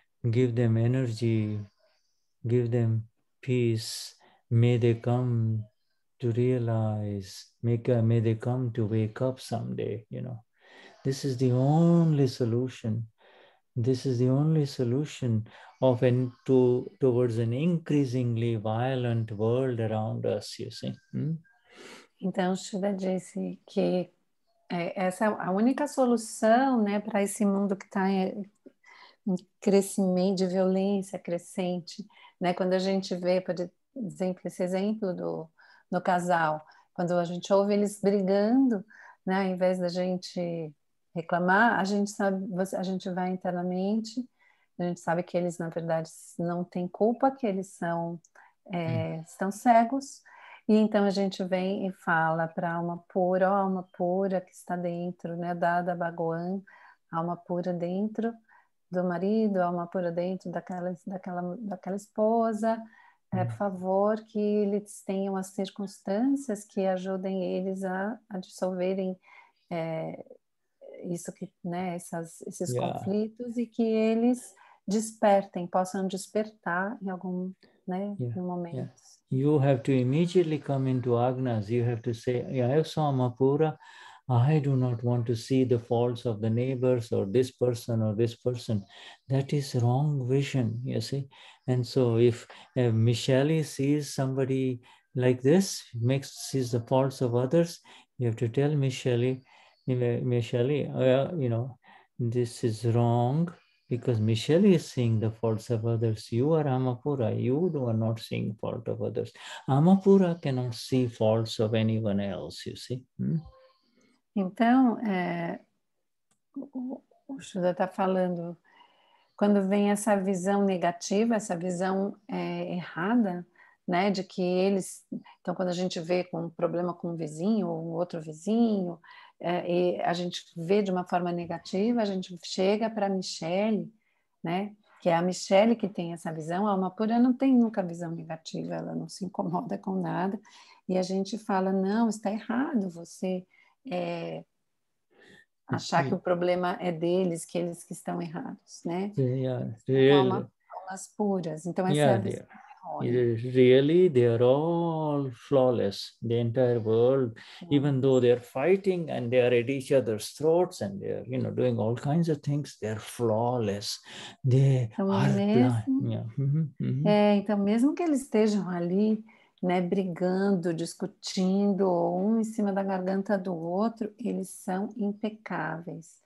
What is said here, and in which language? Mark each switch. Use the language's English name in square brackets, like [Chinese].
[English] Give them energy, give them peace, may they come to realize, may they come to wake up someday, you know. This is the only solution. This is the only solution of towards an increasingly violent world around us, you see. [Portuguese] Então, Shuddha disse que Essa é a única solução, né, para esse mundo que está em crescimento de violência crescente, né? Quando a gente vê, por exemplo, esse exemplo do casal, quando a gente ouve eles brigando, né, ao invés da gente reclamar, a gente sabe, a gente vai internamente, a gente sabe que eles, na verdade, não têm culpa, que eles são, estão cegos. E então a gente vem e fala para a alma pura, ó, alma pura que está dentro, né, da Bhagwan, alma pura dentro do marido, alma pura dentro daquela esposa, por favor, que eles tenham as circunstâncias que ajudem eles a dissolverem isso que, né, esses conflitos, e que eles despertem, possam despertar em algum, né, no momento. [English] Yeah. You have to immediately come into Agnas. You have to say, I saw Mapura. I do not want to see the faults of the neighbors or this person or this person. That is wrong vision, you see. And so if Michelle sees somebody like this, sees the faults of others, you have to tell Michelle, you know, this is wrong. Because Michelle is seeing the faults of others. You are Amapura. You are not seeing fault of others. Amapura cannot see faults of anyone else, you see. [Portuguese] Então, o Shuddha está falando, quando vem essa visão negativa, essa visão errada, né, de que eles... Então, quando a gente vê com um problema com um vizinho ou um outro vizinho... e a gente vê de uma forma negativa, a gente chega para a Michelle, né? Que é a Michelle que tem essa visão, a alma pura não tem nunca visão negativa, ela não se incomoda com nada, e a gente fala, não, está errado você achar que o problema é deles, que eles que estão errados, né? Almas puras, então essa é a visão. [English] Really, they are all flawless, the entire world, even though they are fighting and they are at each other's throats and they are, you know, doing all kinds of things, they are flawless. They are [Portuguese] mesmo, [English] blind. Yeah. Mm-hmm. [Portuguese] Então, mesmo que eles estejam ali, né, brigando, discutindo, um em cima da garganta do outro, eles são impecáveis.